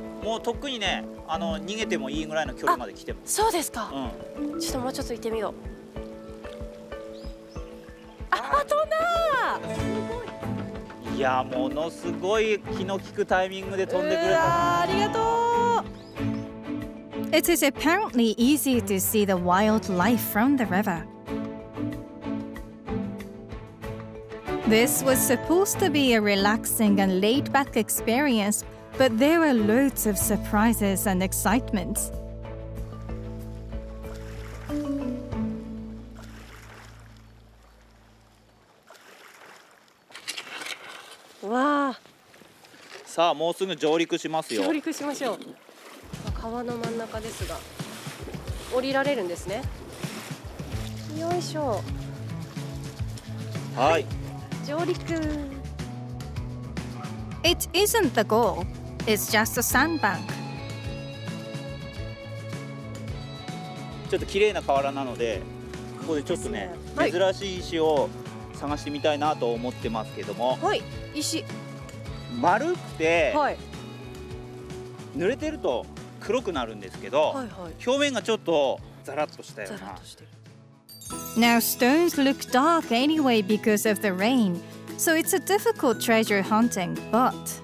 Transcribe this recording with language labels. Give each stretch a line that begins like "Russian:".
Japanese: もうとっくにね、あの逃げてもいいぐらいの距離まで来てます。そうですか、うん、ちょっともうちょっと行ってみよう。あ、飛んだ。いや、ものすごい気の利くタイミングで飛んでくれた。ありがとう。
English: It is apparently easy to see the wildlife from the river. This was supposed to be a relaxing and laid-back experience, but there were loads of surprises and excitement.
Japanese: わあ、さあもうすぐ上陸しますよ。上陸しましょう。川の真ん中ですが降りられるんですね。よいしょ、はい、上陸。
English: It isn't the goal, it's just a sandbank.
Japanese: ちょっと綺麗な河原なので、ここでちょっとね、はい、珍しい石を探してみたいなと思ってますけども、はい、石丸くて、はい、濡れてると黒くなるんですけど、はいはい、表面がちょっとザラッとしたような。ザラッとしてる。
English: Now stones look dark anyway because of the rain, so it's a difficult treasure hunting, but...